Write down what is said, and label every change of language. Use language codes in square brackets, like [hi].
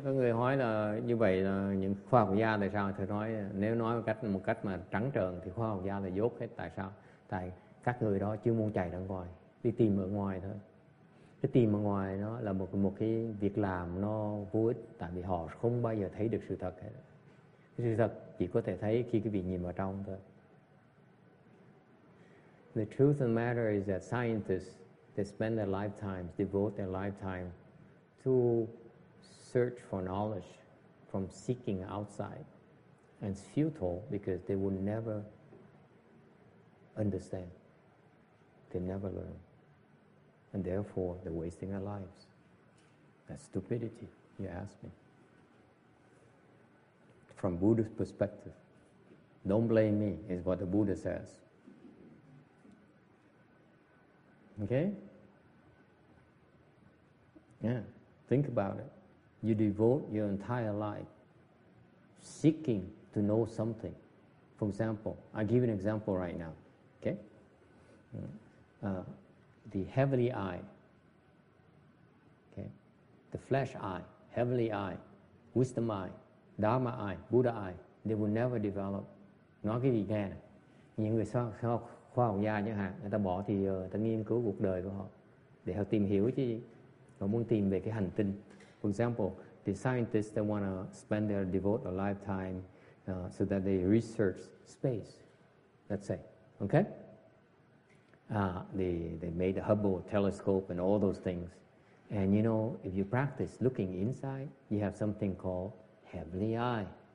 [vi] Có người hỏi là như vậy là những khoa học gia tại sao? Thầy nói nếu nói một cách mà trắng trợn thì khoa học gia là dốt hết. Tại sao? Tại các người đó chưa muốn chạy ra ngoài, đi tìm ở ngoài thôi. Cái tìm ở ngoài nó là một cái việc làm nó vô ích, tại vì họ không bao giờ thấy được sự thật hết. Sự thật chỉ có thể thấy khi quý vị nhìn vào trong thôi. [en] The truth of the matter is that scientists, they spend their lifetimes, devote their lifetime to search for knowledge from seeking outside. And it's futile because they will never understand. They never learn. And therefore, they're wasting their lives. That's stupidity, you ask me. From Buddhist perspective, don't blame me, is what the Buddha says. Okay? Yeah, think about it. You devote your entire life seeking to know something. For example, I'll give you an example right now. Okay? The heavenly eye. Okay? The flesh eye, heavenly eye, wisdom eye, dharma eye, Buddha eye, they will never develop. [vi] Nói cái gì nghe nè. Những người sau khoa học gia chẳng hạn, người ta bỏ thì giờ, người ta nghiên cứu cuộc đời của họ để họ tìm hiểu chứ gì. Họ muốn tìm về cái hành tinh. [en] For example, the scientists, they want to spend their devote a lifetime so that they research space, let's say. Okay? They made the Hubble telescope and all those things. And you know, if you practice looking inside, you have something called heavenly eye.